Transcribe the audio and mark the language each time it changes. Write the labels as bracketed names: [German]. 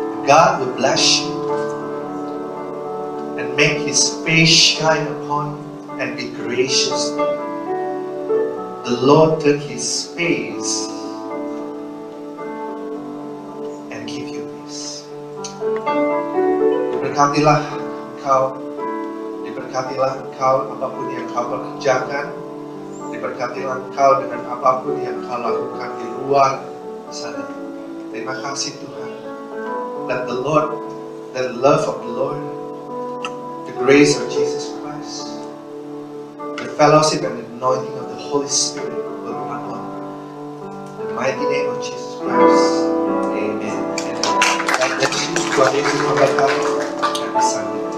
[English] God will bless you and make His face shine upon you and be gracious. The Lord took His face and give you peace. [Indonesian] Diberkatilah engkau. Diberkatilah engkau apapun yang kau kerjakan. Diberkatilah engkau dengan apapun yang kau lakukan di luar sana. Terima kasih Tuhan. [English] Let the Lord, the love of the Lord, the grace of Jesus Christ, the fellowship and anointing of the Holy Spirit will come upon the mighty name of Jesus Christ. Amen. Amen. God bless you. God bless you. God bless you.